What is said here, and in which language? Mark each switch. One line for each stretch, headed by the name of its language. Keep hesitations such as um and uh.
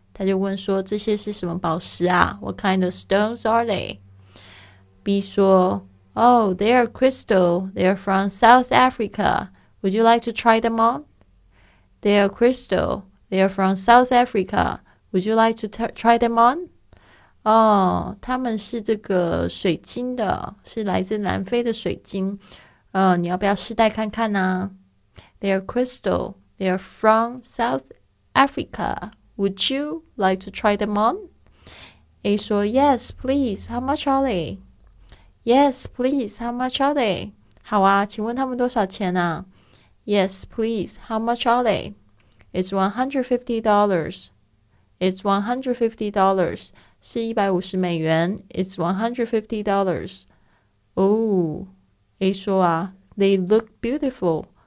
Chinese: 他就问说这些是什么宝石啊？
English: What kind of stones are they?
Chinese: B 说，
English: Oh, they are crystal. They are from South Africa. Would you like to try them on? They are crystal. They are from South Africa. Would you like to t- try them on?
Chinese: 哦，他们是这个水晶的，是来自南非的水晶。呃，你要不要试戴看看呢、
English: They are crystal. They are from South Africa. Would you like to try them on?
Chinese: A 说
English: Yes, please. How much are they? Yes, please. How much are they?
Chinese: 好啊，请问他们多少钱啊？
English: Yes, please. How much are they? It's one hundred fifty dollars. It's one hundred fifty dollars.
Chinese: 是一百五十美元。
English: It's one hundred fifty dollars.
Chinese: 哦，A 说啊，
English: They look beautiful.